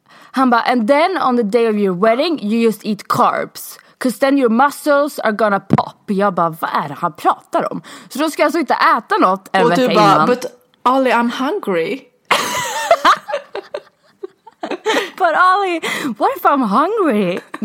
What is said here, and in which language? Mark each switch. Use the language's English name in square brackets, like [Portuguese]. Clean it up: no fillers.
[Swedish] Han bara, [English] and then on the day of your wedding, you just eat carbs. Because then your muscles are gonna pop. [Swedish] Jag bara, vad är det han pratar om? Så då ska jag alltså inte äta något en vecka innan. Och du bara, [English] but Ali, I'm hungry. But Ali, what if I'm hungry?